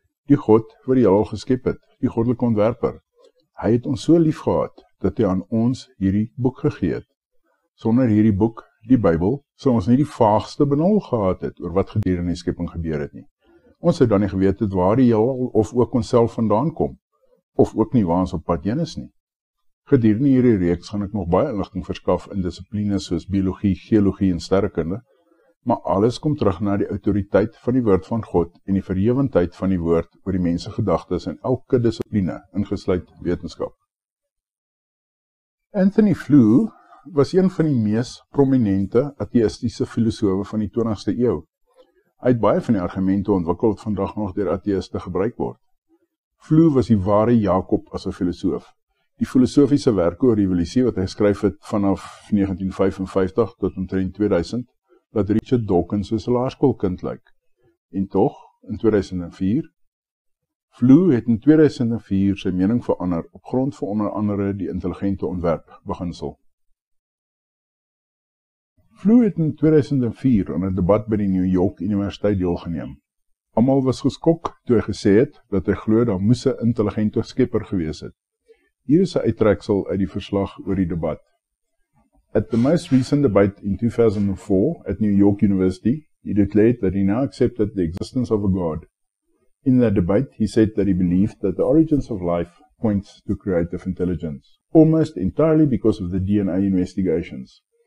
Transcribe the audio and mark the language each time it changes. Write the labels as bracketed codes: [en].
[af] Die God wat die heelal geskep het, die goddelike ontwerper, hy het ons so lief gehad dat hy aan ons hierdie boek gegee het. Sonder hierdie boek, die Bijbel, sal ons nie die vaagste benul gehad het oor wat gedeer in die skepping gebeur het nie. Ons het dan nie geweet het waar die heelal of ook ons self vandaan kom, of ook nie waar ons op pad heen is nie. Gedurende hierdie reeks gaan ek nog baie inligting verskaf in disciplines soos biologie, geologie en sterrekunde, maar alles kom terug na die autoriteit van die woord van God en die verhewendheid van die woord oor die mense gedagtes in elke discipline, ingesluit wetenskap. Anthony Flew was een van die meest prominente atheïstiese filosofe van die 20ste eeuw. Hy het baie van die argumente ontwikkel wat vandag nog deur atheïste gebruik word. Flew was die ware Jakob as 'n filosoof. Die filosofiese werk oor evolusie wat hy skryf het vanaf 1955 tot omtrent 2000, laat Richard Dawkins soos 'n laerskoolkind lyk. En toch, in 2004, Flew het in 2004 sy mening verander op grond van onder andere die intelligente ontwerp beginsel. Flew het in 2004 aan 'n debat by die New York Universiteit deelgeneem. Almal was geskok toe hy gesê het dat hy glo dat moes 'n intelligente skepper gewees het. Hier is 'n uittreksel uit die verslag oor die debat. [en] At the most recent debate in 2004 at New York University, he declared that he now accepted the existence of a God. In that debate, he said that he believed that the origins of life points to creative intelligence, almost entirely because of the DNA investigations.